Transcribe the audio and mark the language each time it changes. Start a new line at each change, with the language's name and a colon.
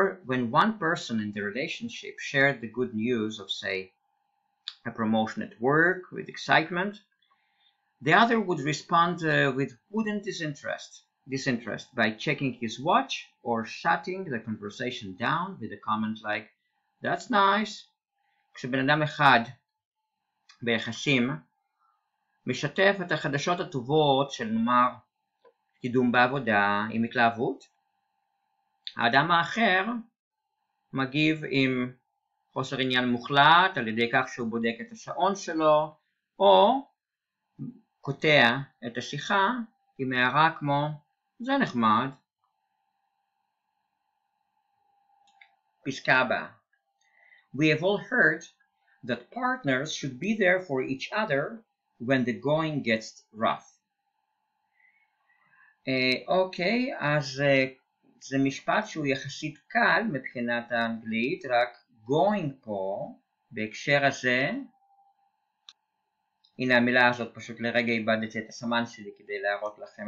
English: When one person in the relationship shared the good news of, say, a promotion at work with excitement, the other would respond with wooden disinterest by checking his watch or shutting the conversation down with a comment like, "That's nice."
Hebrew: כשבן אדם אחד ביחסים משתף את החדשות הטובות של נאמר קידום בעבודה עם התלהבות, האדם האחר מגיב עם חוסר עניין מוחלט על ידי כך שהוא בודק את השעון שלו, או קוטע את השיחה עם הערה כמו זה נחמד. פסקה הבאה.
English: We have all heard that partners should be there for each other when the going gets rough.
Hebrew: אוקיי, אז זה משפט שהוא יחסית קל מבחינת האנגלית, רק going פה בהקשר הזה, הנה המילה הזאת, פשוט לרגע איבדתי את הסמן שלי כדי להראות לכם.